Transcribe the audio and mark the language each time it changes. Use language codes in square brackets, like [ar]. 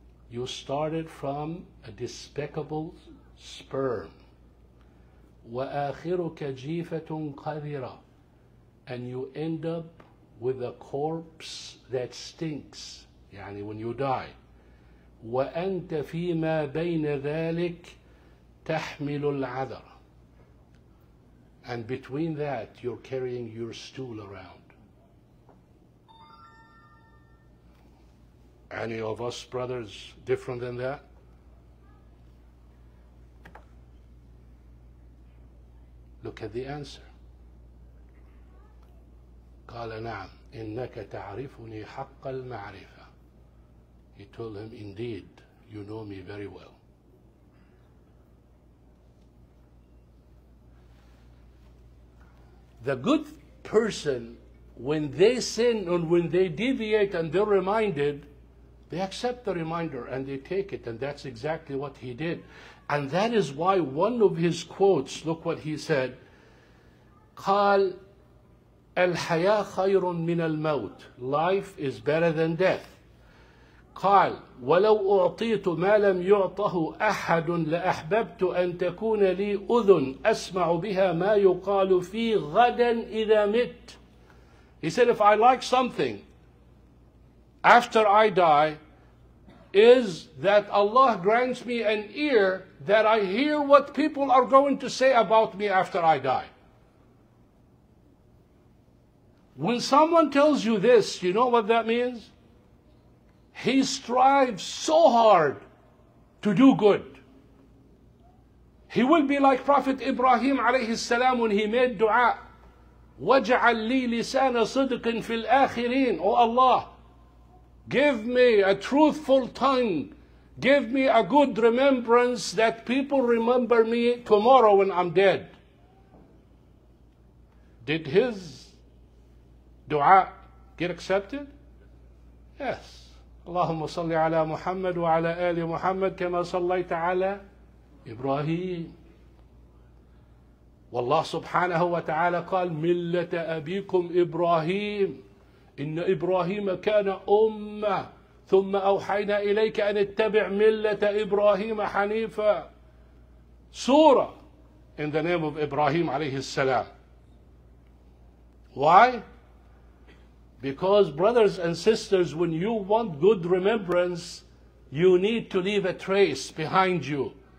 [en] You started from a despicable sperm. [ar] وآخرك جيفة قذرة. [en] And you end up with a corpse that stinks. [ar] يعني [en] when you die. [ar] وأنت فيما بين ذلك تحمل العذر. [en] And between that, you're carrying your stool around. Any of us brothers different than that? Look at the answer. [ar] قال نعم إنك تعرفني حق المعرفة. [en] He told him, indeed, you know me very well. The good person, when they sin and when they deviate and they're reminded, they accept the reminder and they take it. And that's exactly what he did. And that is why one of his quotes, look what he said, [ar] قال الحياة خير من الموت. [en] Life is better than death. [ar] قال ولو أعطيت ما لم يعطه أحد لأحببت أن تكون لي أذن أسمع بها ما يقال في غدا إذا مت. [en] He said, if I like something after I die, is that Allah grants me an ear that I hear what people are going to say about me after I die. When someone tells you this, you know what that means? He strives so hard to do good. He will be like Prophet Ibrahim [ar] عليه السلام [en] when he made dua. [ar] وَجَعَلْ لِي لِسَانَ صِدْقٍ فِي الْآخِرِينَ. [en] Oh Allah, give me a truthful tongue. Give me a good remembrance that people remember me tomorrow when I'm dead. Did his dua get accepted? Yes. [ar] اللهم صل على محمد وعلى آل محمد كما صليت على إبراهيم. والله سبحانه وتعالى قال ملة أبيكم إبراهيم إن إبراهيم كان أمة ثم أوحينا إليك أن اتبع ملة إبراهيم حنيفة. [en] سورة in the name of إبراهيم [ar] عليه السلام. [en] Why? Because brothers and sisters, when you want good remembrance, you need to leave a trace behind you.